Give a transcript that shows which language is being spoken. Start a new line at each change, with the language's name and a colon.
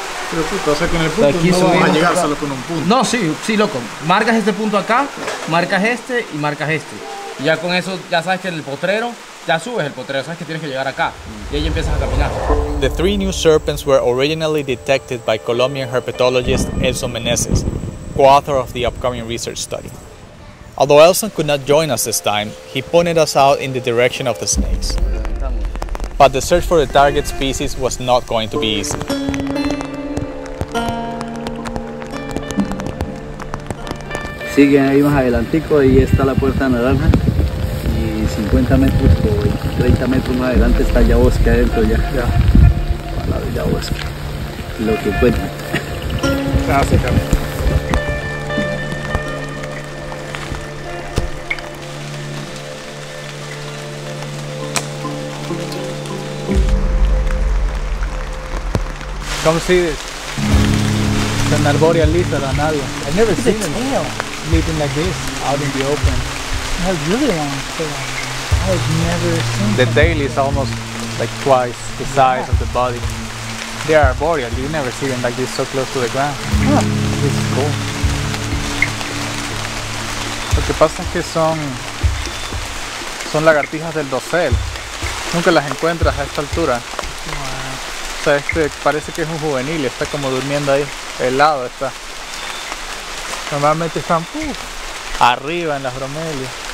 Spanish: Pero puta, o sea que en el punto aquí no vamos a llegar solo con un punto. No, sí, loco. Marcas este punto acá, marcas este y marcas este. Y ya con eso, ya sabes que en el potrero, ya subes el potrero, sabes que tienes que llegar acá. Y ahí empiezas a caminar.
English: The three new serpents were originally detected by Colombian herpetologist Elson Meneses, co-author of the upcoming research study. Although Elson could not join us this time, he pointed us out in the direction of the snakes. But the search for the target species was not going to be easy.
Spanish: Sigue ahí más adelantico, ahí está la puerta naranja. Y 50 metros o 30 metros más adelante está ya bosque adentro ya. Ya. Al lado ya bosque. Lo que encuentre. Gracias.
English: Come see this. It's an arboreal lizard, an alien. I've never it's seen a it. Tail. Sleeping like this out in the open. It has really long tail. I've never seen the tail like is that. Almost like twice the size of the body. They are arboreal. You never see them like this so close to the ground. Huh. This is cool.
Spanish: Lo que pasa es que son lagartijas del dosel. Nunca las encuentras a esta altura. O sea, este parece que es un juvenil, está como durmiendo ahí, helado está. Normalmente están arriba en las bromelias.